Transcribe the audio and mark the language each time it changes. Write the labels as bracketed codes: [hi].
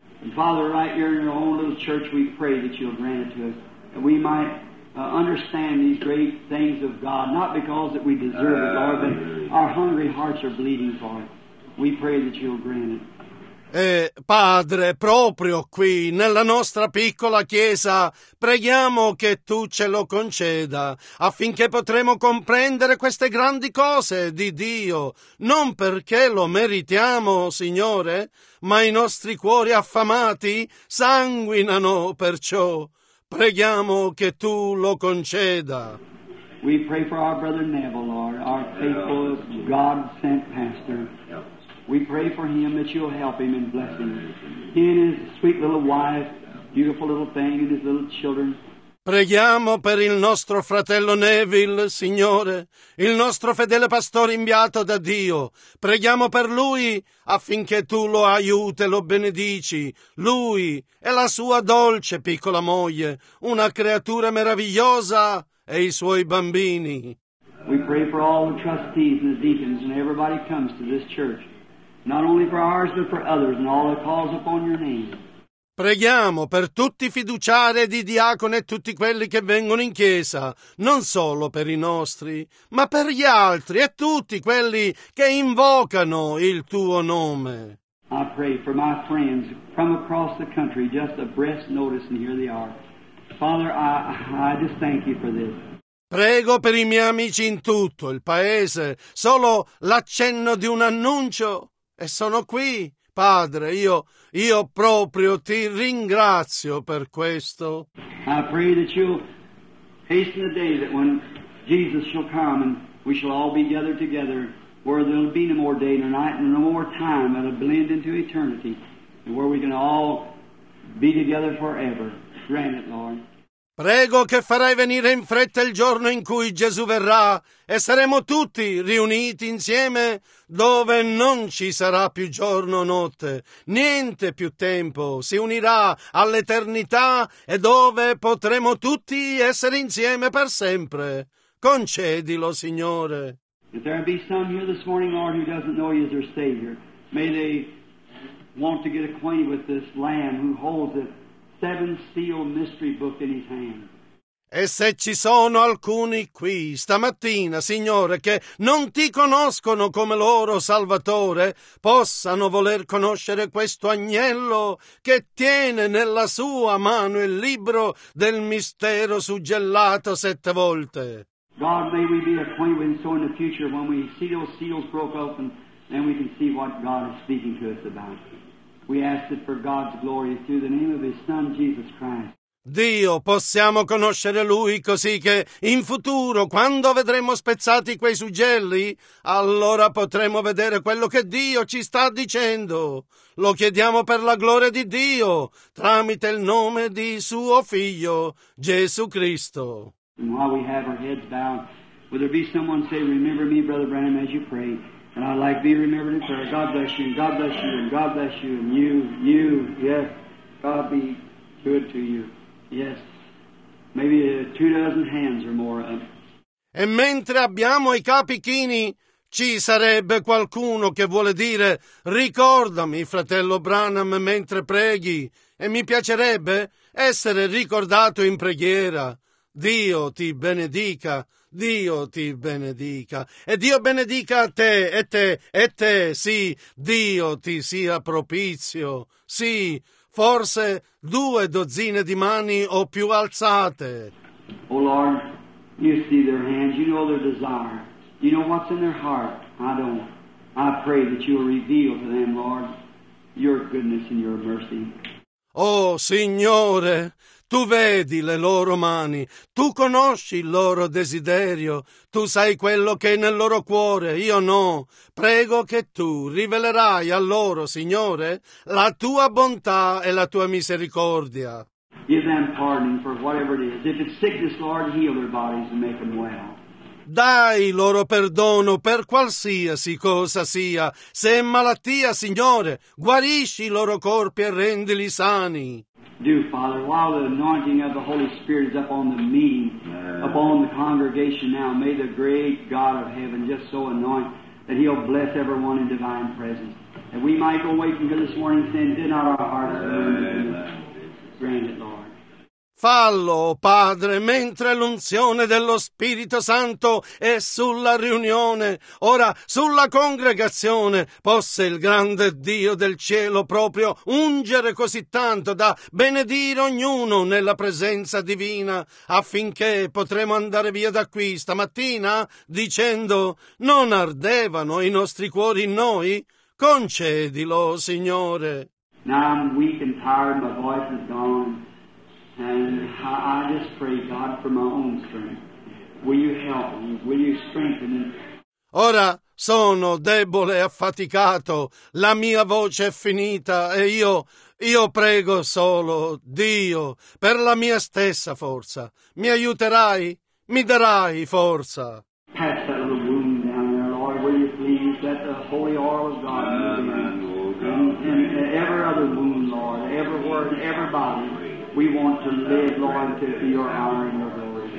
[en] And Father, right here in your own little church, we pray that you'll grant it to us, that we might understand these great things of God, not because that we deserve it, Lord, but our hungry hearts are bleeding for it. We pray that you'll grant it. [it] Padre, proprio qui, nella nostra piccola chiesa, preghiamo che tu ce lo conceda, affinché potremo comprendere queste grandi cose di Dio, non perché lo meritiamo, Signore, ma i nostri cuori affamati sanguinano perciò. Preghiamo che tu lo conceda. [en] We pray for our brother Neville, Lord, our faithful God-sent pastor. We pray for him that you'll help him and bless him. He and his sweet little wife, beautiful little thing, and his little children. [it] Preghiamo per il nostro fratello Neville, Signore, il nostro fedele pastore inviato da Dio. Preghiamo per lui affinché tu lo aiuti e lo benedici. Lui e la sua dolce piccola moglie, una creatura meravigliosa, e i suoi bambini. [en] We pray for all the trustees and the deacons and everybody comes to this church. Not only for ours, but for others, and all that calls upon your name. [it] Preghiamo per tutti i fiduciari di diacone e tutti quelli che vengono in chiesa, non solo per i nostri, ma per gli altri e tutti quelli che invocano il tuo nome. [en] I pray for my friends from across the country, just a breath's notice, and here they are. Father, I just thank you for this. [it] Prego per i miei amici in tutto il paese, solo l'accenno di un annuncio e sono qui. Padre, io proprio ti ringrazio per questo. [en] I pray that you'll hasten the day that when Jesus shall come and we shall all be gathered together, where there'll be no more day nor night and no more time, it'll blend into eternity, and where we can all be together forever. Grant it, Lord. [it] Prego che farai venire in fretta il giorno in cui Gesù verrà e saremo tutti riuniti insieme dove non ci sarà più giorno o notte, niente più tempo, si unirà all'eternità e dove potremo tutti essere insieme per sempre. Concedilo, Signore. [en] If there be some here this morning, Lord, who doesn't know you as their Savior, may they want to get acquainted with this Lamb who holds it. Seven seal mystery book in his hand. [it] E se ci sono alcuni qui stamattina, Signore, che non ti conoscono come loro Salvatore, possano voler conoscere questo agnello che tiene nella sua mano il libro del mistero suggellato sette volte. [en] God, may we be acquainted with so in the future when we see those seals broke open, then we can see what God is speaking to us about. We ask it for God's glory through the name of His Son, Jesus Christ. [it] Dio, possiamo conoscere Lui così che in futuro, quando vedremo spezzati quei suggelli, allora potremo vedere quello che Dio ci sta dicendo. Lo chiediamo per la gloria di Dio, tramite il nome di Suo Figlio, Gesù Cristo. [en] And while we have our heads bowed, will there be someone say, remember me, Brother Branham, as you pray. And I'd like to be remembered in prayer. God bless you, and God bless you, and God bless you, and you, yes. God be good to you, yes. Maybe two dozen hands or more of. [it] E mentre abbiamo i capi chini, ci sarebbe qualcuno che vuole dire, ricordami, fratello Branham, mentre preghi, e mi piacerebbe essere ricordato in preghiera. Dio ti benedica. Dio ti benedica, e Dio benedica a te, e te, e te, sì, Dio ti sia propizio, sì, forse due dozzine di mani o più alzate. [en] Oh Lord, you see their hands, you know their desire, you know what's in their heart, I don't, I pray that you will reveal to them, Lord, your goodness and your mercy. [it] Oh Signore, Tu vedi le loro mani, Tu conosci il loro desiderio, Tu sai quello che è nel loro cuore, io no. Prego che Tu rivelerai a loro, Signore, la Tua bontà e la Tua misericordia. [en] Give them pardon for whatever it is. If it's sickness, Lord, heal their bodies and make them well. [it] Dai loro perdono per qualsiasi cosa sia. Se è malattia, Signore, guarisci i loro corpi e rendili sani. [en] Do, Father, while the anointing of the Holy Spirit is upon the meeting, upon the congregation now, may the great God of heaven just so anoint that He'll bless everyone in divine presence. And we might go away from here this morning saying, did not our hearts burn? Grant it, Lord. [it] Fallo, Padre, mentre l'unzione dello Spirito Santo è sulla riunione, ora sulla congregazione, possa il grande Dio del cielo proprio ungere così tanto da benedire ognuno nella presenza divina, affinché potremo andare via da qui stamattina dicendo «Non ardevano i nostri cuori in noi? Concedilo, Signore!» [en] Now I'm weak and tired, my voice is gone. And I just pray, God, for my own strength. Will you help me? Will you strengthen me? [it] Ora sono debole e affaticato. La mia voce è finita e io prego solo, Dio, per la mia stessa forza. Mi aiuterai? Mi darai forza? [en] Pass that little wound down there, Lord. Will you please let the holy oil of God move in? And every other wound, Lord, every word, every body. We want to live, Lord, to be your honor and your glory.